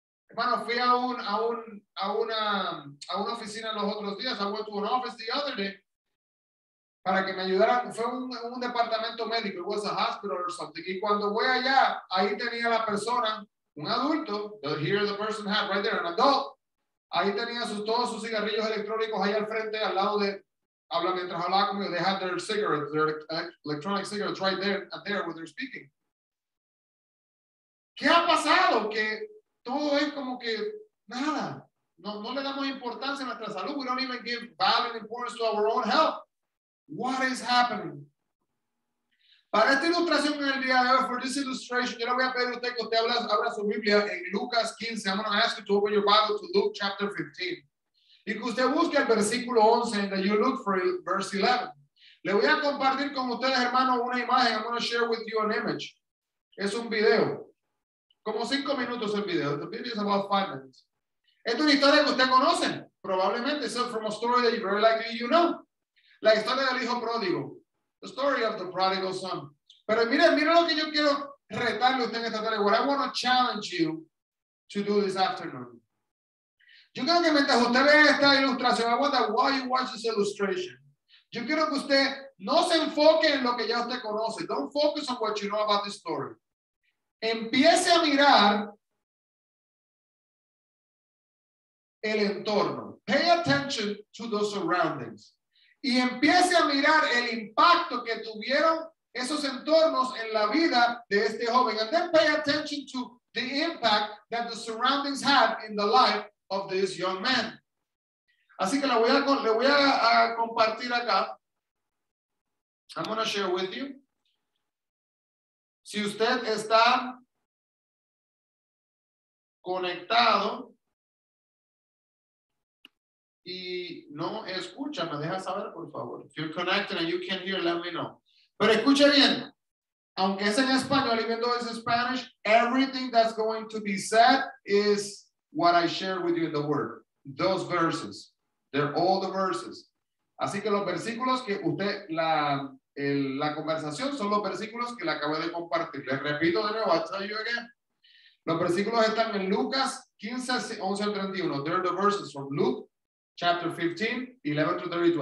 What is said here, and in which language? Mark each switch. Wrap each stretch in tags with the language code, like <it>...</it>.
<es>Hermano, fui a una oficina los otros días.</es> <en>I went to an office the other day</en> <es>para que me ayudaran. Fue un departamento médico.</es> <en>It was a hospital or something.</en> <es>Y cuando voy allá, ahí tenía la persona. Un adulto,</es> <en>here the person had right there, an adult.</en> <es>Ahí tenía todos sus cigarrillos electrónicos ahí al frente, al lado de, habla mientras hablaba conmigo,</es> <en>they had their cigarettes, their electronic cigarettes right there, and there when they're speaking.</en> <es>¿Qué ha pasado? Que todo es como que nada, no le damos importancia a nuestra salud.</es> <en>We don't even give value and importance to our own health. What is happening?</en> <es>Para esta ilustración en el día de hoy,</es> <en>for this illustration,</en> <es>yo le voy a pedir a usted que usted abra su Biblia en Lucas 15.</es> <en>I'm going to ask you to open your Bible to Luke chapter 15.</en> <es>Y que usted busque el versículo 11,</es> <en>and that you look for verse 11.</en> <es>Le voy a compartir con ustedes, hermano, una imagen.</es> <en>I'm going to share with you an image.</en> <es>Es un video. Como 5 minutos el video.</es> <en>The video is about 5 minutes.</en> <es>Esta es una historia que usted conoce. Probablemente.</es> <en>It's from a story that you very likely you know.</en> <es>La historia del hijo pródigo.</es> <en>The story of the prodigal son.</en> <es>Pero mire lo que yo quiero retarle a usted en esta tarde.</es> <en>What I want to challenge you to do this afternoon.</en> <es>Yo quiero que mientras usted vea esta ilustración,</es> <en>I want that while you watch this illustration,</en> <es>yo quiero que usted no se enfoque en lo que ya usted conoce.</es> <en>Don't focus on what you know about this story.</en> <es>Empiece a mirar el entorno.</es> <en>Pay attention to the surroundings.</en> <es>Y empiece a mirar el impacto que tuvieron esos entornos en la vida de este joven.</es> <en>And then pay attention to the impact that the surroundings had in the life of this young man.</en> <es>Así que le voy a compartir acá.</es> <en>I'm going to share with you.</en> <es>Si usted está conectado y no escucha, me deja saber, por favor.</es> <en>If you're connected and you can't hear, let me know.</en> <es>Pero escuche bien. Aunque es en español,</es> <en>even though it's in Spanish, everything that's going to be said is what I share with you in the Word. Those verses. They're all the verses.</en> <es>Así que los versículos que usted, la conversación, son los versículos que le acabo de compartir. Les repito de nuevo,</es> <en>I'll tell you again.</en> <es>Los versículos están en Lucas 15, 11 al 31.</es> <en>They're the verses from Luke. Chapter 15, 11 to 32.</en>